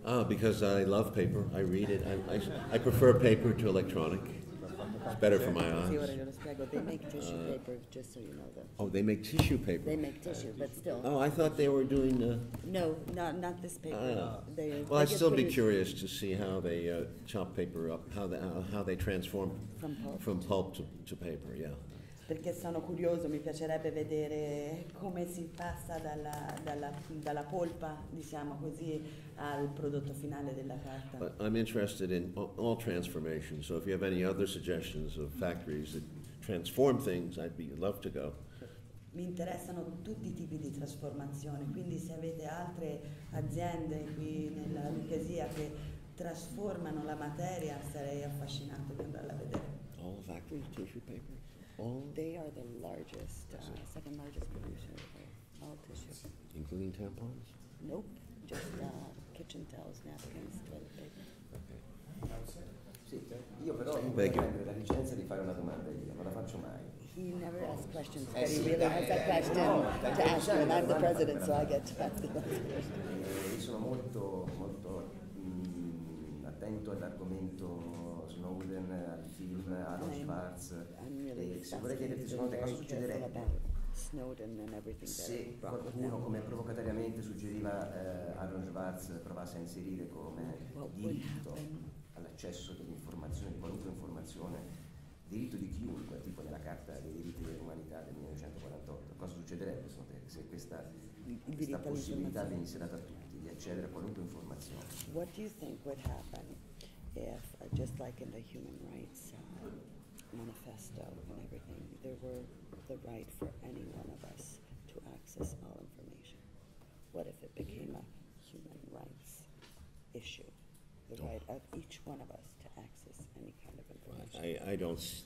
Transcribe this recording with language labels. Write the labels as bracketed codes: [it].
[en] Because I love paper. I read it. I prefer paper to electronic. It's better for my eyes. See what I'm going to struggle. They make tissue paper, just so you know, though. Oh, they make tissue paper. They make tissue, but still. Oh, I thought they were doing the... No, not this paper. I'd still be curious to see how they chop paper up, how they transform from pulp to paper, yeah. [it] Perché sono curioso, mi piacerebbe vedere come si passa dalla polpa, diciamo così, al prodotto finale della carta. [en] But I'm interested in all transformations, so if you have any other suggestions of factories that transform things, I'd be love to go. [it] Mi interessano tutti i tipi di trasformazione, quindi se avete altre aziende qui nella Lucchesia che trasformano la materia, sarei affascinato di andarla a vedere. [en] All factories, tissue paper. They are the largest, second largest producer of all tissues. Including tampons? Nope, just kitchen towels, napkins, toilet paper. Okay. [it] Io però non prendo la licenza di fare una domanda, io non la faccio mai. [en] He never asks questions, but he really has that question to ask you, and I'm the president, so I get to ask the question. [it] Sono molto, molto attento all'argomento Snowden, al film, allo Schwarz. [en] Really, [it] e se vorrei chiederti, secondo te, cosa succederebbe [en] Snowden and everything. [it] Se qualcuno come provocatoriamente suggeriva Aaron Schwartz provasse a inserire come diritto all'accesso dell'informazione, di qualunque informazione, diritto di chiunque, tipo nella Carta dei diritti dell'umanità del 1948, cosa succederebbe se questa possibilità venisse data a tutti di accedere a qualunque informazione? [en] What do you think would happen if, just like in the Human Rights Manifesto and everything, there were the right for any one of us to access all information? What if it became a human rights issue, the right of each one of us to access any kind of information?